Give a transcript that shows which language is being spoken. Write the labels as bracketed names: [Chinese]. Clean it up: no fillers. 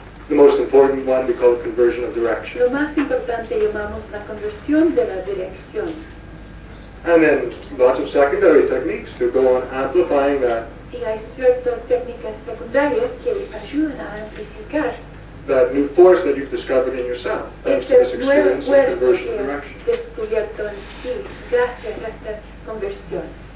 [English] the most important one we call the conversion of direction. [Spanish] Lo más importante llamamos la conversión de la dirección. [English] And then lots of secondary techniques to go on amplifying that. [Spanish] Y hay ciertas técnicas secundarias que ayudan a amplificar [English] that new force that you've discovered in yourself thanks to this experience of conversion of direction.